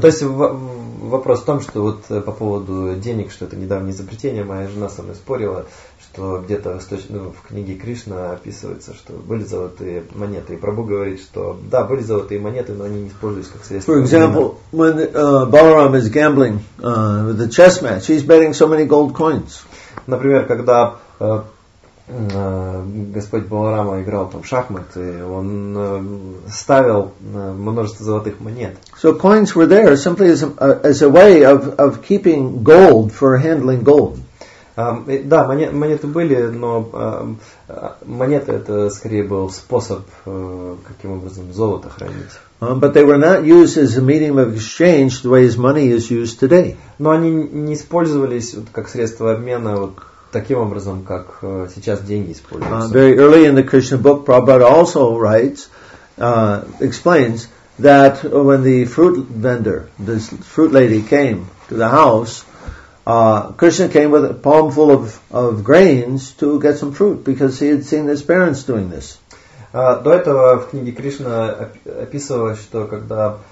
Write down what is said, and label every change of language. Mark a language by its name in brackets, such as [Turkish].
[Russian] То есть вопрос в том, что вот по поводу денег, что это недавнее изобретение, моя жена со мной спорила, что где-то в книге Кришна описывается, что были золотые монеты. И Прабху говорит, что да, были золотые монеты, но они не используются как средство. [English] For example, when Balaram is gambling with the chess match, he's betting so many gold coins. [Russian] Например, когда Господь Баларама играл там в шахматы, он ставил множество золотых монет. [English] So coins were there simply as a way of keeping gold for handling gold. [Russian] Да, монеты были, но монеты это скорее был способ, каким образом золото хранить. [English] But they were not used as a medium of exchange the way as money is used today. [Russian] Но они не использовались вот, как средство обмена вот, таким образом, как сейчас деньги используются. [English] Very early in the Krishna book, Prabhupada also writes, explains that when the fruit vendor, this fruit lady came to the house, Krishna came with a palm full of grains to get some fruit because he had seen his parents doing this. [Russian] До этого в книге Кришна описывалось, что когда